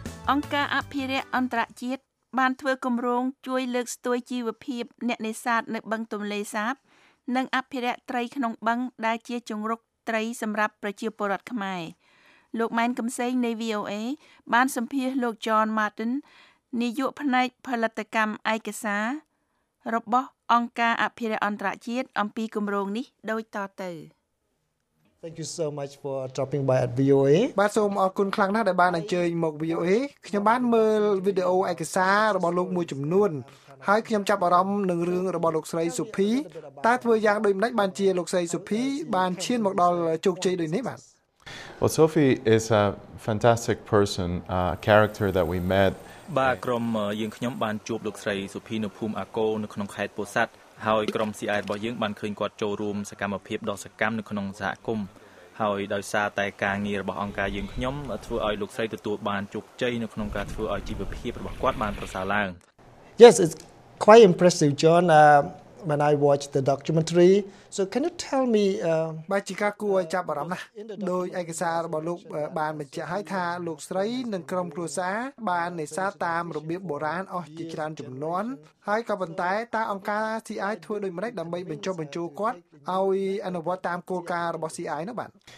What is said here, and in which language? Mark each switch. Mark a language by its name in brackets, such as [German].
[Khmer] អង្គការអភិរក្សអន្តរជាតិបានធ្វើគម្រោងជួយលើកស្ទួយជីវភាពអ្នកនេសាទនៅបឹងទន្លេសាបនិងអភិរក្សត្រីក្នុងបឹងដែលជាជង្រុកត្រីសម្រាប់ប្រជាពលរដ្ឋខ្មែរលោកម៉ែនកំសែងនៃ VOA បានសម្ភាសលោក John Martin នាយកផ្នែកផលិតកម្មឯកសាររបស់អង្គការអភិរក្សអន្តរជាតិអំពីគម្រោងនេះដូចតទៅ [English] Thank you so much for dropping by at VOA. [Khmer] បាទសូមអរគុណខ្លាំងណាស់ដែលបានអញ្ជើញមក VOA. ខ្ញុំបានមើលវីដេអូឯកសាររបស់លោកមួយចំនួនហើយខ្ញុំចាប់អារម្មណ៍នឹងរឿងរបស់លោកស្រីសុភីតើធ្វើយ៉ាងដូចម្តេចបានជាលោកស្រីសុភីបានឈានមកដល់ជោគជ័យដូចនេះបាទ [English] Well, Sophie is a fantastic person, a character that we met. [Khmer] បាទក្រុមយើងខ្ញុំបានជួបលោកស្រីសុភីនៅភូមិអាកូនៅក្នុងខេត្តពោធិ៍សាត់ហើយក្រុម CI របស់យើងបានឃើញគាត់ចូលរួមសកម្មភាពដ៏សកម្មនៅក្នុងសហគមន៍ហើយដោយសារតែការងាររបស់អង្គការយើងខ្ញុំធ្វើឲ្យលោកស្រីទទួលបានជោគជ័យនៅក្នុងការធ្វើឲ្យជីវភាពរបស់គាត់បានប្រសើរឡើង [English] Yes it's quite impressive John when I watched the documentary so can you tell me [Khmer] បាទជាការគួរចាប់អារម្មណ៍ណាស់ដោយឯកសាររបស់លោកបានបញ្ជាក់ឲ្យថាលោកស្រីនិងក្រុមគ្រួសារបាននេសាទតាមរបៀបបុរាណអស់ជាច្រើនចំនួនហើយក៏ប៉ុន្តែតាអង្គការ CI ធ្វើដូចម្តេចដើម្បីបញ្ចុះបញ្ជូលគាត់ឲ្យអនុវត្តតាមគោលការណ៍របស់ CI នោះបាទ